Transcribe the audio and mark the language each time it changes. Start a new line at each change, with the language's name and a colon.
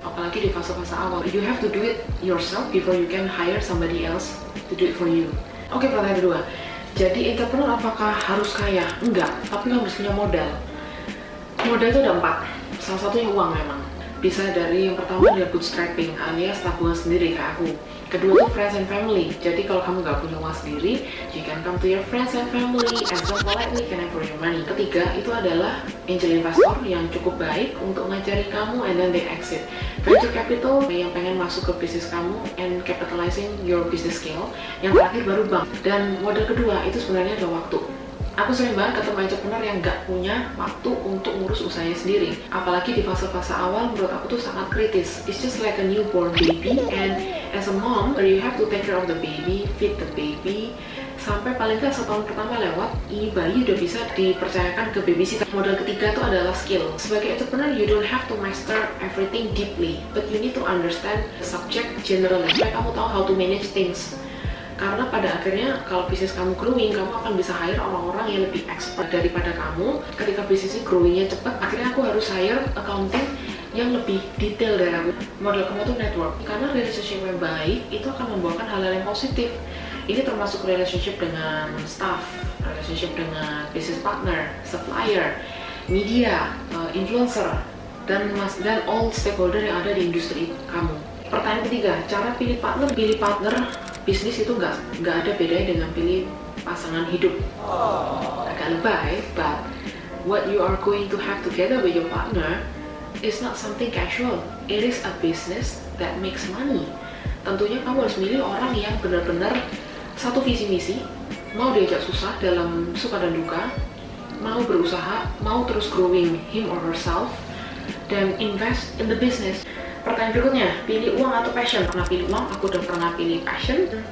Indonesian: Apalagi di fase-fase awal,
English: you have to do it yourself before you can hire somebody else to do it for you.
Indonesian: Oke, pertanyaan kedua. Jadi entrepreneur apakah harus kaya? Enggak, tapi kamu harus punya modal. Modal itu ada 4. Salah satunya uang memang. Bisa dari yang pertama dia bootstrapping alias tabungan sendiri kayak aku. Kedua itu
English: friends and family.
Indonesian: Jadi kalau kamu gak punya uang sendiri,
English: you can come to your friends and family and so politely can I borrow your money.
Indonesian: Ketiga itu adalah angel investor yang cukup baik untuk ngajari kamu
English: and then they exit.
Indonesian: Venture capital yang pengen masuk ke bisnis kamu
English: and capitalizing your business skill.
Indonesian: Yang terakhir baru bank. Dan modal kedua itu sebenarnya ada waktu. Aku sering banget ketemu entrepreneur yang gak punya waktu untuk ngurus usahanya sendiri. Apalagi di fase-fase awal menurut aku tuh sangat kritis.
English: It's just like a newborn baby and as a mom, you have to take care of the baby, feed the baby.
Indonesian: Sampai paling gak setahun pertama lewat, bayi udah bisa dipercayakan ke babysitter. Modal ketiga itu adalah skill. Sebagai entrepreneur,
English: you don't have to master everything deeply, but you need to understand the subject generally.
Indonesian: Supaya kamu tahu
English: how to manage things.
Indonesian: Karena pada akhirnya kalau bisnis kamu growing, kamu akan bisa hire orang-orang yang lebih expert daripada kamu. Ketika bisnisnya growingnya cepat, akhirnya aku harus hire accounting yang lebih detail dari aku. Modal kamu itu network. Karena relationship yang baik itu akan membawakan hal-hal yang positif. Ini termasuk relationship dengan staff, relationship dengan business partner, supplier, media, influencer, dan all stakeholder yang ada di industri kamu. Pertanyaan ketiga, cara pilih partner. Pilih partner bisnis itu gak ada bedanya dengan pilih pasangan hidup.
English: Agak lebay, but what you are going to have together with your partner is not something casual. It is a business that makes money.
Indonesian: Tentunya kamu harus milih orang yang benar-benar satu visi misi, mau diajak susah dalam suka dan duka, mau berusaha, mau terus growing him or herself, dan
English: invest in the business.
Indonesian: Pertanyaan berikutnya, pilih uang atau passion? Pernah pilih uang, aku udah pernah pilih passion.